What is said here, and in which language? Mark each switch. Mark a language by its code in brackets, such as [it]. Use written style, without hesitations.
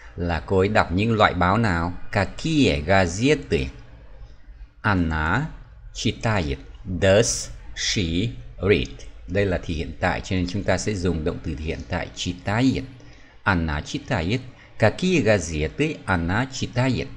[vi] Là cô ấy đọc những loại báo nào? [ru] Какие газеты она читает? [en] Does she read? [vi] Đây là thì hiện tại, cho nên chúng ta sẽ dùng động từ hiện tại читает. [ru] Она читает. Какие газеты она читает?